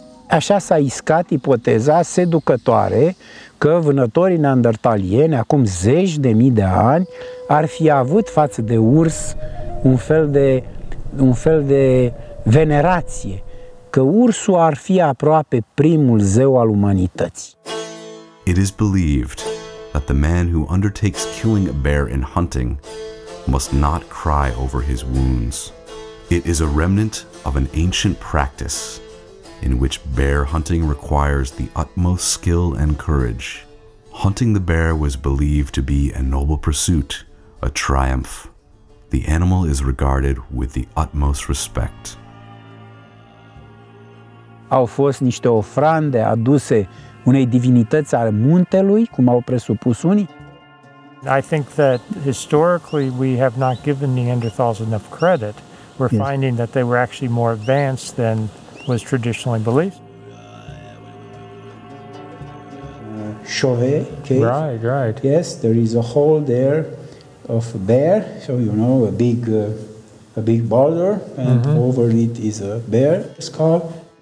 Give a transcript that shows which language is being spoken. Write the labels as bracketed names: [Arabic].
[Romanian] Așa s-a iscat ipoteza seducătoare că vânătorii neandertalieni, acum zeci de mii de ani, ar fi avut față de urs un fel de venerație, că ursul ar fi aproape primul zeu al umanității. [English] It is believed that the man who undertakes killing a bear in hunting must not cry over his wounds. It is a remnant of an ancient practice in which bear hunting requires the utmost skill and courage. Hunting the bear was believed to be a noble pursuit, a triumph. The animal is regarded with the utmost respect. [Romanian] Au fost niște ofrande aduse unei divinități ale muntelui, cum au presupus unii? [English] I think that historically we have not given Neanderthals enough credit. We're finding that they were actually more advanced than was traditionally believed. Chauvet cave. Right. Yes, there is a hole there of a bear, so you know, a big boulder, and over it is a bear skull.